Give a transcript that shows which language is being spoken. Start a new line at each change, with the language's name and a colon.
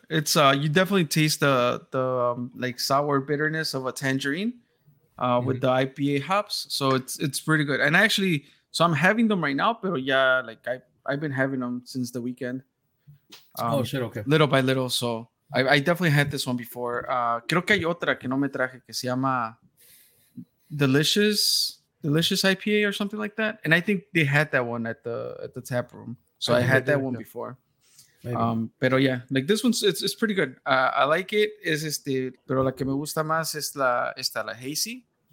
English: It's you definitely taste the like sour bitterness of a tangerine, with the IPA hops. So it's pretty good. And actually, so I'm having them right now. But yeah, like I've been having them since the weekend. Okay. Little by little. So I definitely had this one before.
Spanish: Creo que hay otra que no me traje que se llama Delicious.
English: Delicious IPA or something like that, and I think they had that one at the tap room. So I had that one before. Maybe. Pero yeah, like this one's it's pretty good. I like it.
Spanish: Es este, pero la que me gusta más es la hazy.